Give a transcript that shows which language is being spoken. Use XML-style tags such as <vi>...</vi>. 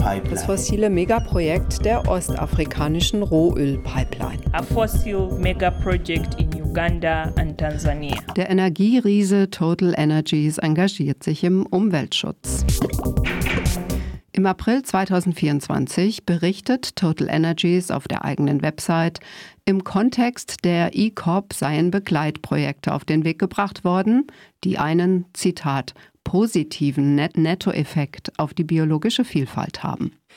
<de>Das fossile Megaprojekt der ostafrikanischen Rohölpipeline.</de> <en>A fossil megaproject in Uganda and Tanzania.</en> <de>Der Energieriese Total Energies engagiert sich im Umweltschutz. Im April 2024 berichtet Total Energies auf der eigenen Website, im Kontext der EACOP seien Begleitprojekte auf den Weg gebracht worden, die einen, Zitat, positiven Nettoeffekt auf die biologische Vielfalt haben.</de>